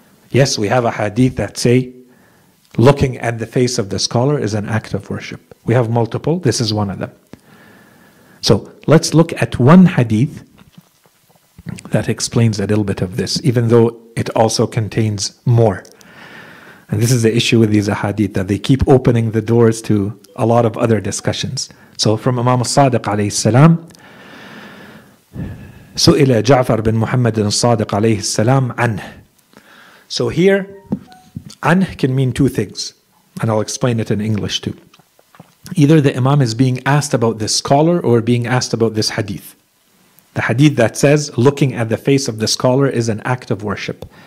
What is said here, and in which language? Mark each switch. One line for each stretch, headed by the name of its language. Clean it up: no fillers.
English: Yes, we have a hadith that say looking at the face of the scholar is an act of worship. We have multiple. This is one of them. So let's look at one hadith that explains a little bit of this, even though it also contains more. And this is the issue with these ahadith, that they keep opening the doors to a lot of other discussions. So from
Arabic: Imam al-Sadiq alayhi salam, سُئِلَ جَعْفَرَ بِن مُحَمَّدٍ الصَّادِقَ عَلَيْهِ السَّلَامِ عَنْهِ.
English: So here, عَنْهِ can mean two things, and I'll explain it in English too. Either the Imam is being asked about this scholar or being asked about this hadith. The hadith that says, looking at the face of the scholar is an act of worship.